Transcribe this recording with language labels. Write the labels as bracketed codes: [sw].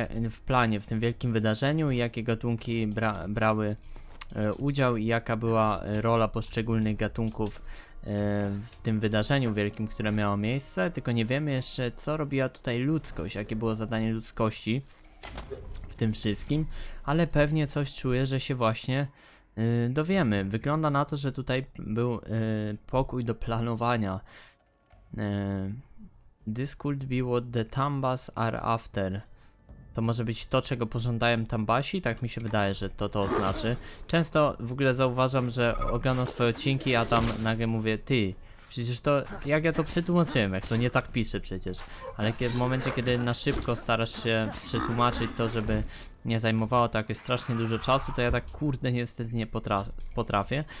[pl] w planie, w tym wielkim wydarzeniu i jakie gatunki brały udział i jaka była rola poszczególnych gatunków w tym wydarzeniu wielkim, które miało miejsce, tylko nie wiemy jeszcze, co robiła tutaj ludzkość, jakie było zadanie ludzkości w tym wszystkim, ale pewnie coś czuję, że się właśnie dowiemy. Wygląda na to, że tutaj był pokój do planowania. [en] This could be what the Tambas are after. [pl] To może być to, czego pożądają Tambasi? Tak mi się wydaje, że to oznacza. Często w ogóle zauważam, że oglądam swoje odcinki, a tam nagle mówię, ty, przecież to, jak ja to przetłumaczyłem, jak to nie tak piszę przecież. Ale w momencie, kiedy na szybko starasz się przetłumaczyć to, żeby nie zajmowało to jakoś strasznie dużo czasu, to ja tak kurde niestety nie potrafię.